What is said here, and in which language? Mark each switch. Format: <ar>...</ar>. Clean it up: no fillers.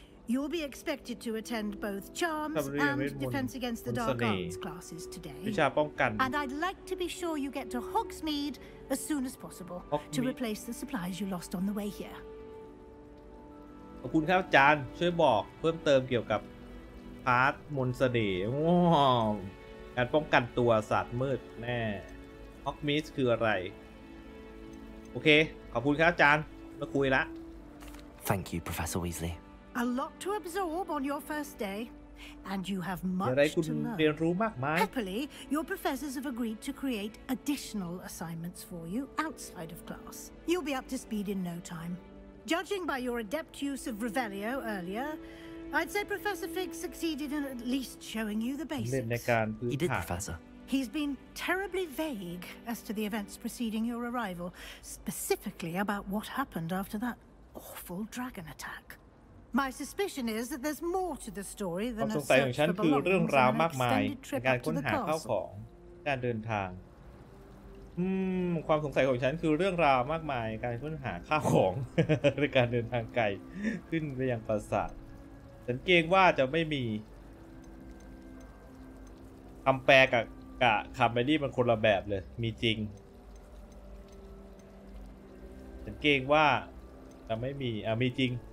<en>You'll be expected to attend both charms and defense against the dark arts classes today.</en> <th>วิชาป้องกัน</th> <en>And I'd like to be sure you get to Hogsmeade as soon as possible to replace the supplies you lost on the way here.</en> <th>ขอบคุณครับอาจารย์ช่วยบอกเพิ่มเติมเกี่ยวกับพาร์ทมนต์เสน่ห์ว้าวการป้องกันตัวศาสตร์มืดแน่ฮอกมิสคืออะไรโอเคขอบคุณครับอาจารย์มาคุยละ</th> <en>Thank you Professor Weasley A lot to absorb on your first day and you have much to learn</en> <th>เรียนรู้มากมาย</th> <en>Happily your professors have agreed to create additional assignments for you outside of class You'll be up to speed in no time Judging by your adept use of Revelio earlier I'd say Professor Fig succeeded in at least showing you the basics. He did, Professor. He's been terribly vague as to the events preceding your arrival, specifically about what happened after that awful dragon attack. My suspicion is that there's more to the story than a search for belongings and an extended trip up to the castle.</en> <th>การค้นหาข้าวของการเดินทางความสงสัยของฉันคือเรื่องราวมากมายการค้นหาข้าวของหรือการเดินทางไกลขึ้นไปยังปราสาทฉันเกรงว่าจะไม่มีคำแปลกับคำไปนี่มันคนละแบบเลยมีจริงฉันเกรงว่าจะไม่มีมีจริง</th>